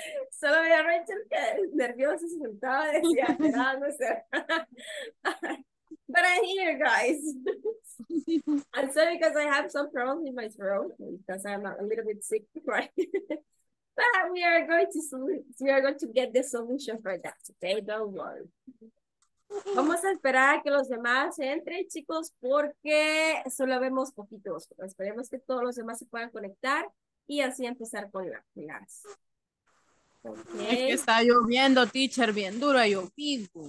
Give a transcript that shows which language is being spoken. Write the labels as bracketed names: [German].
[Spanish] Solo veía a Rachel que nerviosa se sentaba, decía, esperándose. [English] But I'm here, guys. I'm sorry because I have some problems in my throat because I'm a little bit sick, right? But we are going to get the solution for that. Okay, don't worry. [Spanish] Vamos a esperar a que los demás entren, chicos, porque solo vemos poquitos. Pero esperemos que todos los demás se puedan conectar y así empezar con la clase. [English] Okay. [Spanish] Es que está lloviendo, teacher, bien duro ha llovido.